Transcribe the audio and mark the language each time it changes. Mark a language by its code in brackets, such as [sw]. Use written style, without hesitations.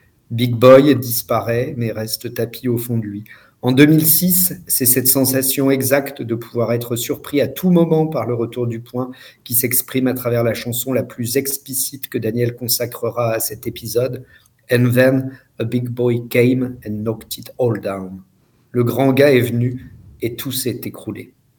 [fr] Big Boy disparaît mais reste tapi au fond de lui. En 2006, c'est cette sensation exacte de pouvoir être surpris à tout moment par le retour du poing qui s'exprime à travers la chanson la plus explicite que Daniel consacrera à cet épisode. [en] And then a big boy came and knocked it all down. [fr] Le grand gars est venu et tout s'est écroulé.